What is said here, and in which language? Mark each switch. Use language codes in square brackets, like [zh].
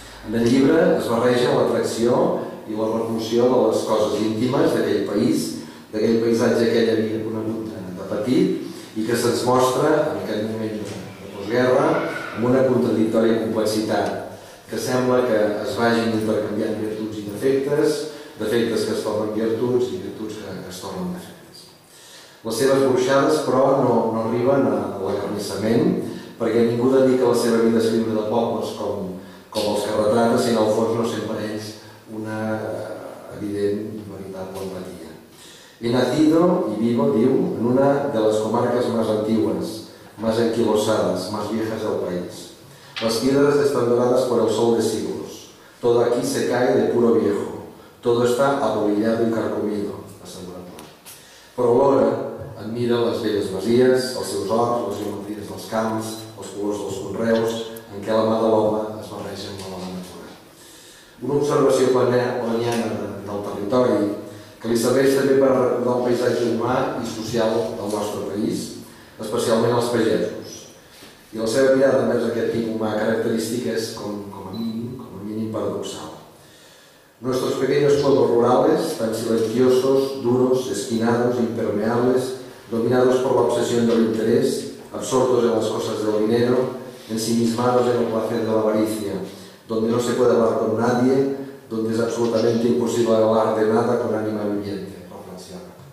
[ca] En el llibre es barreja l'atracció i la repulsió de les coses íntimes d'aquell país, d'aquell paisatge que ell havia conegut de petit i que se'ns mostra en aquest moment de postguerra amb una contradictòria complexitat que sembla que es vagin intercanviant virtuts i defectes, defectes que es tornen virtuts i virtuts que es tornen defectes. Les seves bruixades, però, no arriben a l'acarnissament, perquè ningú dedica la seva vida a escriure de pobles com els que retrata, sinó al fons no sent per ells una evident veritable empatia. [es] He nacido y vivo, [ca] diu, [es] en una de las comarcas más antiguas, más anquilosadas, más viejas del país. Las piedras están doradas por el sol de siglos. Todo aquí se cae de puro viejo. Todo está abobillado y carcomido, asegura Pla. [ca] Però alhora admira les velles masies, els seus horts, les geometries dels camps, els colors dels conreus, en què la mà de l'home es barreja amb la natura. Una observació planiana del territori que li serveix també per recordar el paisatge humà i social del nostre país, especialment els pagesos. I la seva mirada envers aquest tipus humà característic és, com a mínim, paradoxal. [es] Nuestros pequeños pueblos rurales, tan silenciosos, duros, esquinados, impermeables, dominados por la obsesión del interés, absortos en las cosas del dinero, ensimismados en el placer de la avaricia, donde no se puede hablar con nadie, donde es absolutamente imposible hablar de nada con ánima viviente, reflexiona.